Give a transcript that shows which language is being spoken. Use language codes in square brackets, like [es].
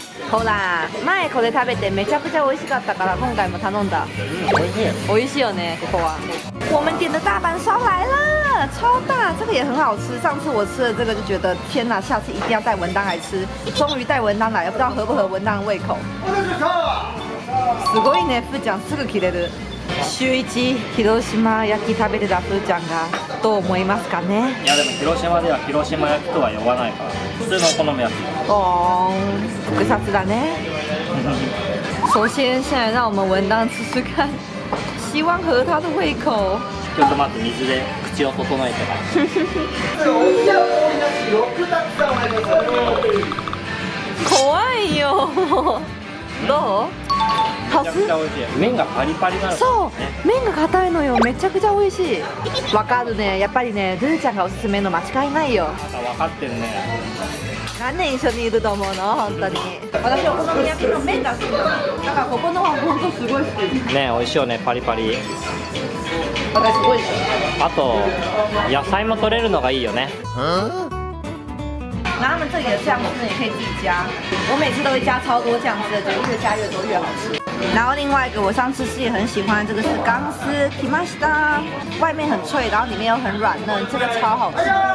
[ja] ほら、前これ食べてめちゃくちゃ美味しかったから今回も頼んだ。美味しい。美味しいよね、ここは。 [zh] 我们点的大阪烧来了，超大，这个也很好吃。上次我吃了这个就觉得天哪，下次一定要带文丹来吃。终于带文丹来，也不知道合不合文丹胃口。 [ja] すごいね、副長すぐ切れる。週一広島焼き食べてたふーちゃんがどう思いますかね。いやでも広島では広島焼きとは呼ばないから、普通のお好み焼き。おー複雑だね。 [zh] 首先现在让我们文丹吃吃看，希望合他的胃口。 [ja] ちょっと待って、水で口を整えてから。美味しい。よくなったお前の。怖いよ。どう？ [zh] 好吃， [ja] 麺がパリパリなの。そう、麺が硬いのよ。めちゃくちゃ美味しい。わかるね。やっぱりね、ルーちゃんがおすすめの間違いないよ。わかってるね。何年一緒にいると思うの？本当に。私お好み焼きの麺が好きだ。だからここのは本当すごい好き。ね、美味しいよね、パリパリ。私すごい好き。あと野菜も取れるのがいいよね。 [zh] 那他们这里的酱汁也可以自己加，我每次都会加超多酱汁的，就越加越多越好吃。然后另外一个我上次吃也很喜欢，这个是钢丝きました，外面很脆，然后里面又很软嫩，这个超好吃。